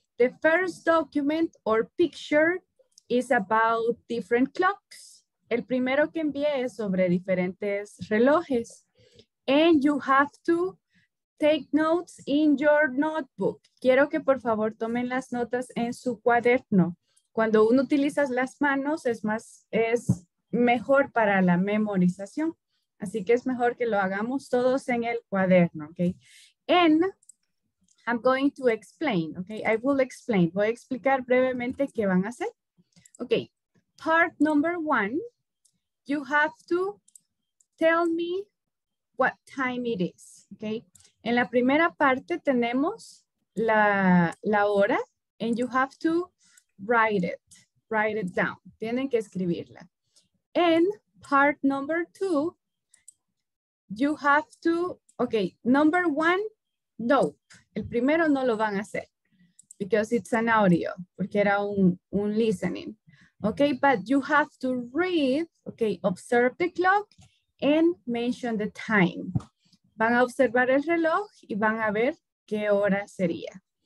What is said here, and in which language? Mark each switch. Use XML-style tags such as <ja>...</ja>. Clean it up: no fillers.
<en>The first document or picture is about different clocks.</en> <es>El primero que envié es sobre diferentes relojes.</es> <en>And you have to take notes in your notebook.</en> <es>Quiero que por favor tomen las notas en su cuaderno. Cuando uno utiliza las manos es mejor para la memorización. Así que es mejor que lo hagamos todos en el cuaderno, okay?</es> <en>And I'm going to explain, okay? I will explain.</en> <es>Voy a explicar brevemente qué van a hacer.</es> <en>Okay, part number one, you have to tell me what time it is, okay?</en> <es>En la primera parte tenemos la hora,</es> <en>and you have to write it down.</en> <es>Tienen que escribirla.</es> <en>And part number two, you have to, okay, number one, nope.</en> <es>El primero no lo van a hacer</es> <en>because it's an audio,</en> <es>porque era un listening.</es> <en>Okay, but you have to read, okay, observe the clock and mention the time.</en> <es>Van a observar el reloj y van a ver qué hora sería.</es>